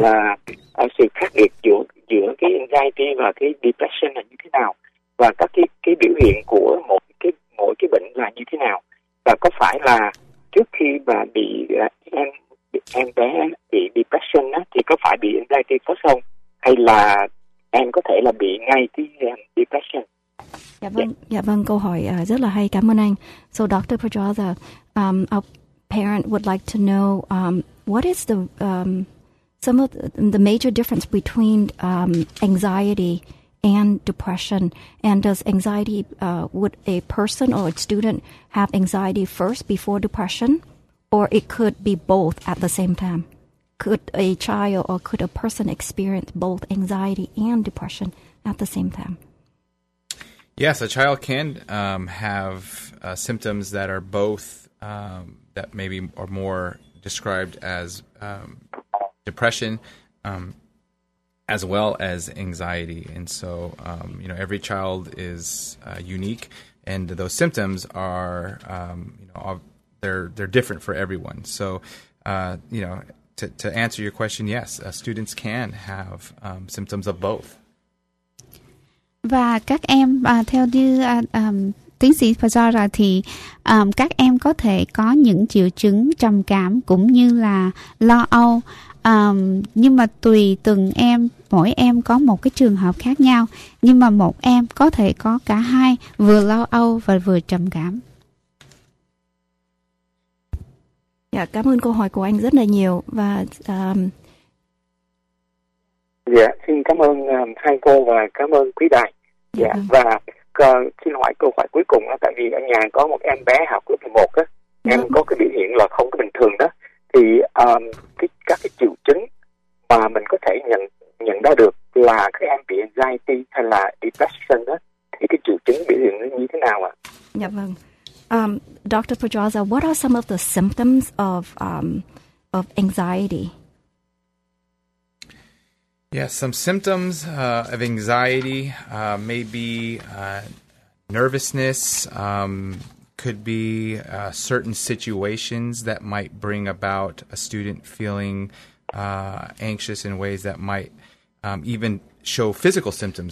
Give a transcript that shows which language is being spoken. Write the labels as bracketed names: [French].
[Vietnamese] Là sự khác biệt giữa cái anxiety và cái depression là như thế nào, và các cái biểu hiện của mỗi cái bệnh là như thế nào? Và có phải là trước khi mà bị em bé bị depression á, thì có phải bị anxiety có không, hay là em có thể là bị ngay cái depression? Dạ vâng, yeah. Dạ vâng, câu hỏi rất là hay, cảm ơn anh. [English] So Dr. Pedraza, our parent would like to know what is the some of the major difference between anxiety and depression, and does anxiety, would a person or a student have anxiety first before depression, or it could be both at the same time? Could a child or could a person experience both anxiety and depression at the same time? Yes, a child can have symptoms that are both, that maybe are more described as depression, as well as anxiety. And so, you know, every child is unique, and those symptoms are, you know, they're different for everyone. So, you know, to answer your question, yes, students can have symptoms of both. [Vietnamese] Và các em, theo như tiến sĩ Pajara thì các em có thể có những triệu chứng trầm cảm cũng như là lo âu, nhưng mà tùy từng em, mỗi em có một cái trường hợp khác nhau, nhưng mà một em có thể có cả hai, vừa lo âu và vừa trầm cảm. Dạ, cảm ơn câu hỏi của anh rất là nhiều. Và dạ, xin cảm ơn hai cô và cảm ơn quý đại. Dạ, và xin hỏi câu hỏi cuối cùng, tại vì ở nhà có một em bé học lớp 11 á, em có cái biểu hiện là không có bình thường đó, thì các cái triệu chứng mà mình có thể nhận ra được là cái em bị anxiety hay là depression đó, thì cái triệu chứng biểu hiện nó như thế nào ạ? Dạ vâng. Dr. [English] Pedraza, what are some of the symptoms of anxiety? Yes, some symptoms of anxiety may be nervousness, could be certain situations that might bring about a student feeling anxious in ways that might even show physical symptoms.